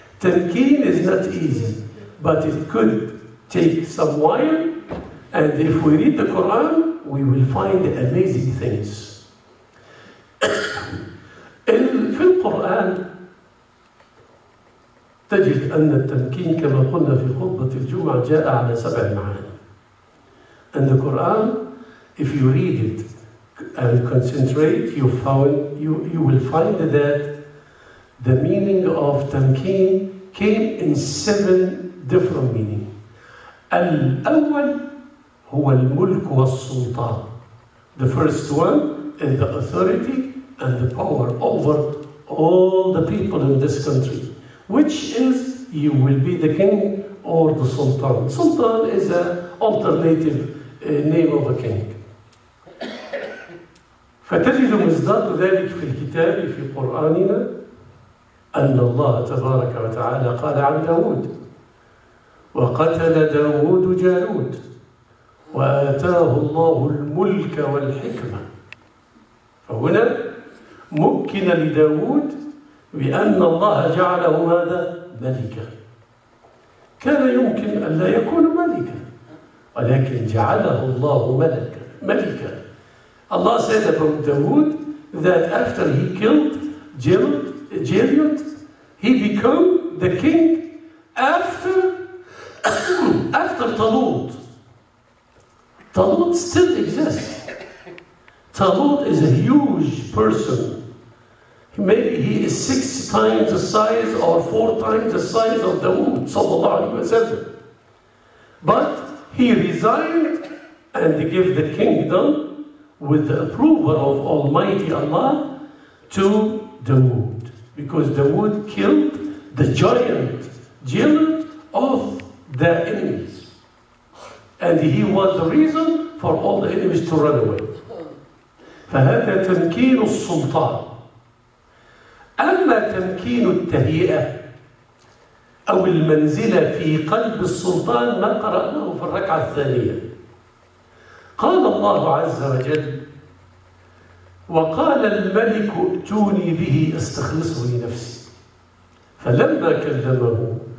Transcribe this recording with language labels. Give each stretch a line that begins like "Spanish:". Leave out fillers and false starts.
English: Tamkeen is not easy, but it could take some while. And if we read the Quran, we will find amazing things.
Arabic: في القرآن تجد أن التمكين كما قلنا في خطبة الجمعة جاء على سبع معاني.
English: And the Quran, if you read it and concentrate, you will find that the meaning of tamkin came in seven different meanings.
Arabic: Al-awwal huwa al-mulk wa-sultan.
English: The first one is the authority and the power over all the people in this country, which is you will be the king or the sultan. Sultan is an alternative name of a king.
Arabic: فتجد مصداق ذلك في الكتاب في قرآننا أن الله تبارك وتعالى قال عن داود: وقتل داود جالوت وآتاه الله الملك والحكمة. فهنا مكن لداود بأن الله جعله ماذا؟ ملكا. كان يمكن أن لا يكون ملكا، ولكن جعله الله ملكا. ملكا
English: Allah said about Dawood that after he killed Jeriot, he became the king after Talut. Talut still exists. Talut is a huge person. Maybe he is six times the size or four times the size of Dawood, sallallahu alayhi wa sallam. But he resigned and gave the kingdom with the approval of Almighty Allah to Dawood, because Dawood killed the giant Jeriot of the enemies, and he was the reason for all the enemies to run away.
Arabic: فهذا تمكين السلطان. أما تمكين التهيئة أو المنزلة في قلب السلطان ما قرأناه في الركعة الثانية. قال الله عز وجل: وقال الملك ائتوني به استخلصه لنفسي. فلما كلمه